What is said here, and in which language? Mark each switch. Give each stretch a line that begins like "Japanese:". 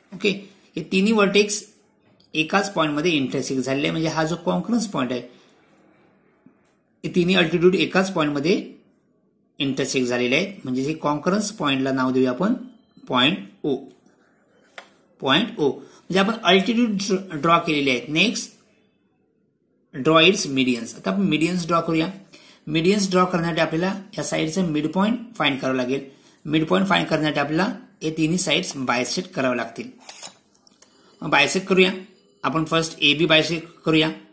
Marathi: Okay, हे तिन्ही vertex एकाच पॉइंट मध्ये इंटरसेक्ट झालेले, म्हणजे हा जो कॉन्करन्स पॉइंट आहे, हे तिन्ही अल्टिट्यूड एकाच पॉइंट मध्ये इंटरसेक्ट झालेले आहेत, म्हणजे हे कॉन्करन्स पॉइंटला नाव देऊया आपण पॉइंट ओ। पॉइंट ओ म्हणजे आपण अल्टिट्यूड ड्रॉ केलेले आहेत।
English: Next draw its medians.
Marathi: आता आपण मीडियन्स ड्रॉ करूया। मीडियन्स ड्रॉ करण्यासाठी आपल्याला या साईडचं मिड पॉइंट फाइंड करावं लागेल। मिड पॉइंट फाइंड करण्यासाठी आपल्याला या तिन्ही साईड्स बायसेक्ट कराव्या लागतील। बायसेक्ट करूया, आपण फर्स्ट ए बी बायसेक्ट करूया।